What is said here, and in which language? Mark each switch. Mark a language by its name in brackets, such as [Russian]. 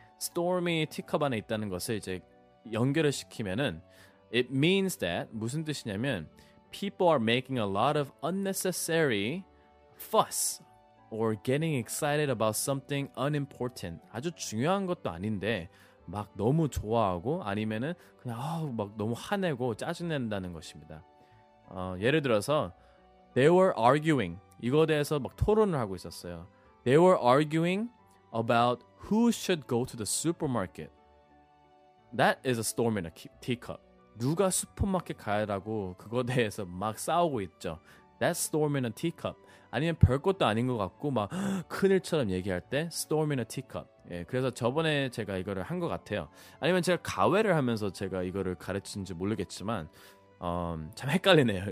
[Korean] storm이 티컵 안에 있다는 것을 이제 연결을 시키면은 [English] it means that [Korean] 무슨 뜻이냐면 [English] people are making a lot of unnecessary fuss or getting excited about something unimportant. [Korean] 아주 중요한 것도 아닌데 막 너무 좋아하고 아니면은 그냥 막 너무 화내고 짜증낸다는 것입니다. 예를 들어서 [English] they were arguing. [Korean] 이거에 대해서 막 토론을 하고 있었어요. [English] They were arguing about who should go to the supermarket. That is a storm in a teacup. [Korean] 누가 슈퍼마켓 가야라고 그거에 대해서 막 싸우고 있죠. [English] That storm in a teacup. [Korean] 아니면 별것도 아닌 것 같고 막 큰일처럼 얘기할 때 [English] storm in a teacup. [Korean] 예, 그래서 저번에 제가 이거를 한 것 같아요. 아니면 제가 가외를 하면서 제가 이거를 가르치는지 모르겠지만 참 헷갈리네요.